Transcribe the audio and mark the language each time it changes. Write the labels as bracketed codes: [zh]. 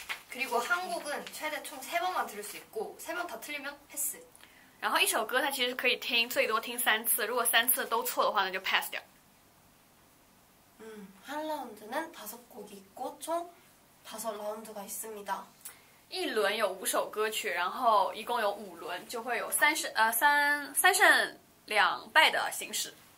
[ko] 그리고 한국은 최대 총 3번만 들을 수 있고 3번 다 틀리면 패스. [zh] 然后一首歌它其实可以听最多听3次，如果3次都错的话，那就 pass 掉。 [ko] 1라운드는 5곡이 있고 총 5라운드가 있습니다. [zh] 一轮有5首歌曲，然后一共有5轮，就会有三胜两败的形式。